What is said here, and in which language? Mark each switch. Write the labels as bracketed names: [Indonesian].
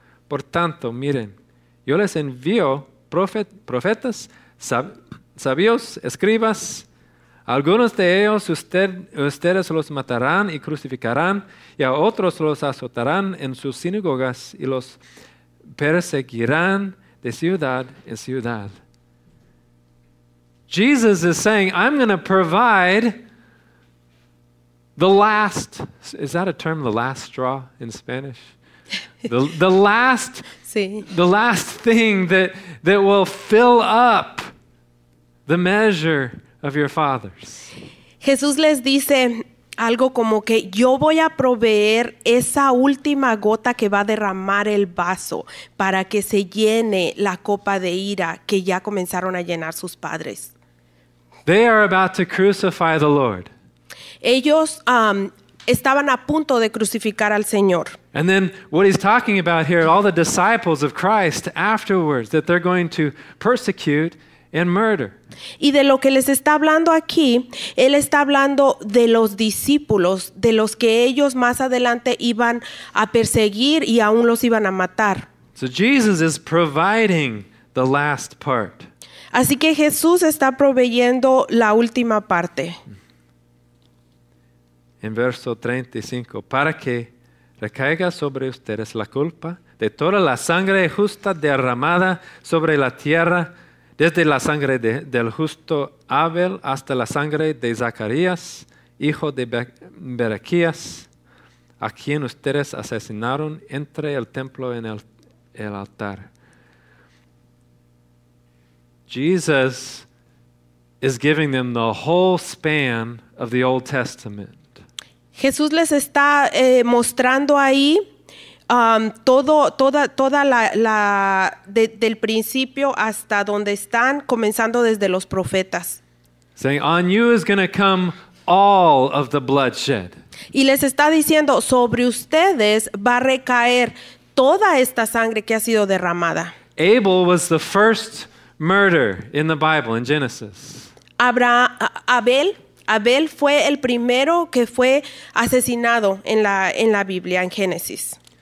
[Spanish] Por tanto, miren, yo les envío profetas, sabios, escribas, algunos de ellos ustedes los matarán y crucificarán, y a otros los azotarán en sus sinagogas y los perseguirán de ciudad en ciudad. [English] Jesus is saying, I'm going to provide the last, is that a term, the last straw in Spanish? The last, [Spanish] sí. [English] The last thing that will fill up the measure of your fathers. [Spanish] Jesús les dice algo como que yo voy a proveer esa última gota que va a derramar el vaso para que se llene la copa de ira que ya comenzaron a llenar sus padres. [English] They are about to crucify the Lord. [Spanish] Ellos estaban a punto de crucificar al Señor. [English] And then what he's talking about here, all the disciples of Christ afterwards that they're going to persecute and murder. [Spanish] Y de lo que les está hablando aquí, él está hablando de los discípulos, de los que ellos más adelante iban a perseguir y aún los iban a matar. [English] So Jesus is providing the last part. [Spanish] Así que Jesús está proveyendo la última parte. En verso 35, para que recaiga sobre ustedes la culpa de toda la sangre justa derramada sobre la tierra, desde la sangre del justo Abel hasta la sangre de Zacarías, hijo de Berequías, a quien ustedes asesinaron entre el templo y el altar. [English] Jesus is giving them the whole span of the Old Testament. [Spanish] Jesús les está mostrando ahí del principio hasta donde están, comenzando desde los profetas. [English] Saying, on you is going to come all of the bloodshed. [Spanish] Y les está diciendo, sobre ustedes va a recaer toda esta sangre que ha sido derramada. [English] Abel was the first murder in the Bible in Genesis. [Spanish] Abel fue el primero que fue asesinado en la Biblia en Génesis.